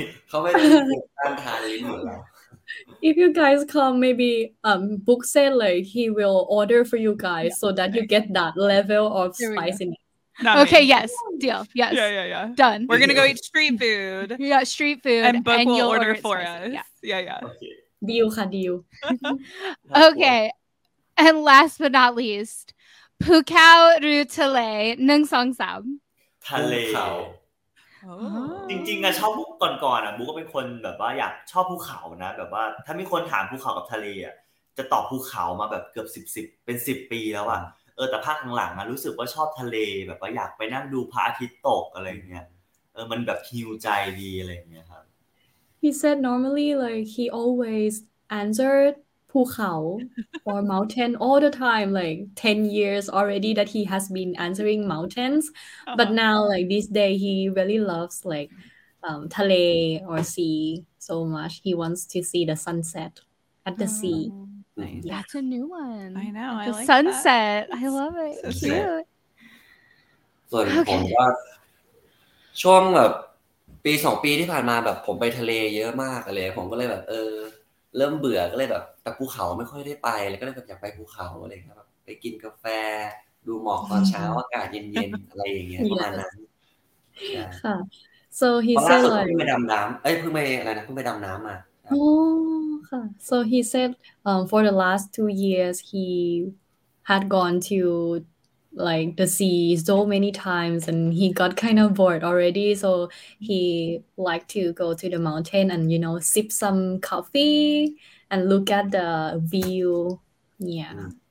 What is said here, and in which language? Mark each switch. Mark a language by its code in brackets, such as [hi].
[th] เขาไม่ได้การทานเลยหมดแล้ว [en] If you guys come maybe Book said like he will order for you guys so that you get that level of spiciness okay yes deal yes yeah done we're gonna go eat street food yeah street food and Book will order for us yeah deal [th] ค่ะ [en] deal okay and last but not least [th] Phukao ru Thale nung song sam Thale จริงๆอะชอบก่อนๆอะบู๊ก็เป็นคนแบบว่าอยากชอบภูเขานะแบบว่าถ้ามีคนถามภูเขากับทะเลอะจะตอบภูเขามาแบบเกือบ10เป็น10ปีแล้วอะเออแต่ภาคหลังๆอ่ะรู้สึกว่าชอบทะเลแบบว่าอยากไปนั่งดูพระอาทิตย์ตกอะไรเงี้ยเออมันแบบฮิวใจดีอะไรเงี้ยครับ [en] He said normally like he always answered ภูเขา or mountain all the time like 10 years already that he has been answering mountains but now like this day he really loves like ทะเล or sea so much he wants to see the sunset at the sea Nice. That's a new one. I know. The sunset. That. I love it. That's cute. It. [th] ส่วน okay. ผมว่าช่วงแบบปี2ปีที่ผ่านมาแบบผมไปทะเลเยอะมากเลยผมก็เลยแบบเริ่มเบื่อก็เลยแบบตะภูเขาไม่ค่อยได้ไปแล้วก็เลยแบบอยากไปภูเขาอะไรครับไปกินกาแฟดูหมอกตอนเช้าอากาศเย็นๆอะไรอย่างเงี้ยประมาณนั้น ค่ะ [en] so he said [th] like เพิ่งไปดำน้ำเอ้ยเพิ่งไปอะไรนะเพิ่งไปดำน้ำมา โอ้ค่ะ [en] so he said for the last 2 years he had gone to like the sea so many times and he got kind of bored already so he liked to go to the mountain and you know sip some coffee and look at the view yeah